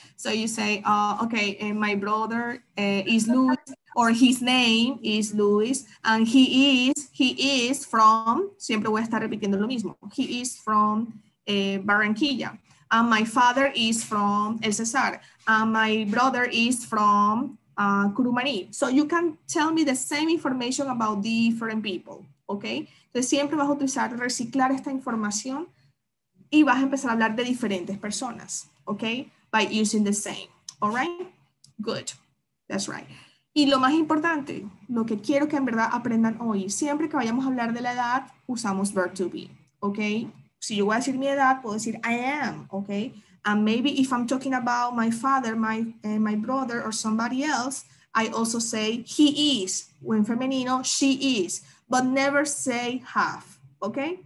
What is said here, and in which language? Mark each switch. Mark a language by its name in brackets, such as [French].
[English] So you say, my brother is Luis, or his name is Luis, and he is from, [Spanish] siempre voy a estar repitiendo lo mismo, [English] he is from Barranquilla. And my father is from El Cesar. And my brother is from Kurumani. So you can tell me the same information about different people, okay? [Spanish] Entonces siempre vas a utilizar reciclar esta información y vas a empezar a hablar de diferentes personas, okay? [English] By using the same, all right? Good, that's right. [Spanish] Y lo más importante, lo que quiero que en verdad aprendan hoy, siempre que vayamos a hablar de la edad, usamos verb to be, okay? Si yo voy a decir mi edad, puedo decir [English] I am, [Spanish] okay? [English] And maybe if I'm talking about my father, my brother, or somebody else, I also say he is, when femenino, she is, but never say have, okay?